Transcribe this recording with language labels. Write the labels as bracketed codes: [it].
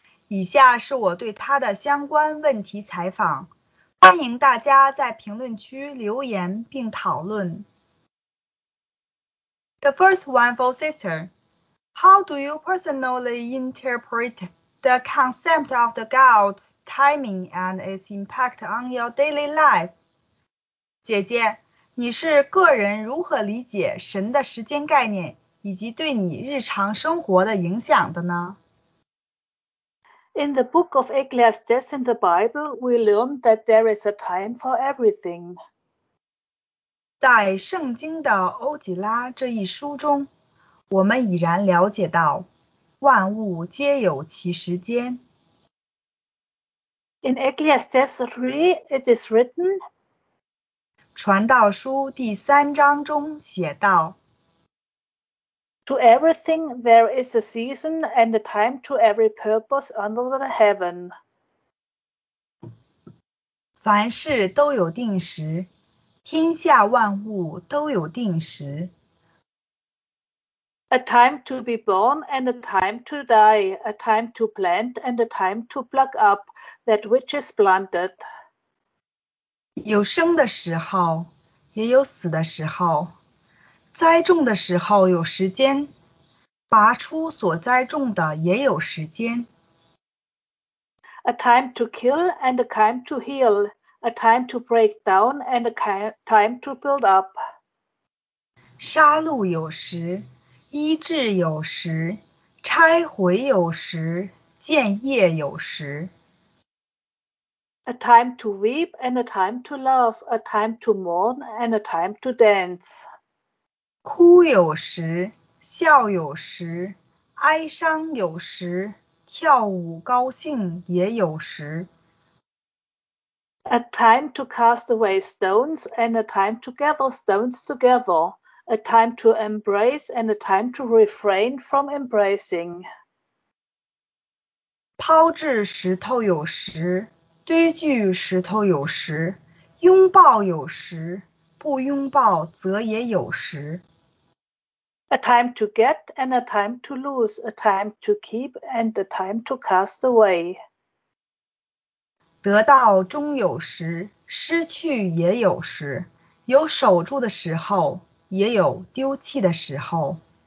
[zh] 以下是我对他的相关问题采访，欢迎大家在评论区留言并讨论。 [en] The first one for sister. How do you personally interpret the concept of the God's timing and its impact on your daily life? [zh] 姐姐，你是个人如何理解神的时间概念以及对你日常生活的影响的呢？ [en] In the book of Ecclesiastes in the Bible, we learn that there is a time for everything. [zh] 在圣经的欧吉拉这一书中，我们已然了解到万物皆有其时间。 [en] In Ecclesiastes 3, it is written, [zh] 传道书第三章中写道， [en] To everything there is a season and a time to every purpose under the heaven. [zh] 凡事都有定时，天下万物都有定时。 [en] A time to be born and a time to die, a time to plant and a time to pluck up that which is planted. [zh] 有生的时候，也有死的时候。栽种的时候有时间，拔出所栽种的也有时间。 [en] A time to kill and a time to heal, a time to break down and a time to build up. [zh] 杀戮有时，医治有时，拆毁有时，建业有时。 [en] A time to weep and a time to love, a time to mourn and a time to dance. [zh] 哭有时，笑有时，哀伤有时，跳舞高兴也有时。 [en] A time to cast away stones and a time to gather stones together. A time to embrace and a time to refrain from embracing. [zh] 抛掷石头有时，堆聚石头有时，拥抱有时，不拥抱则也有时。 [en] A time to get and a time to lose, a time to keep and a time to cast away. [zh] 得到终有时，失去也有时，有守住的时候，也有丢弃的时候。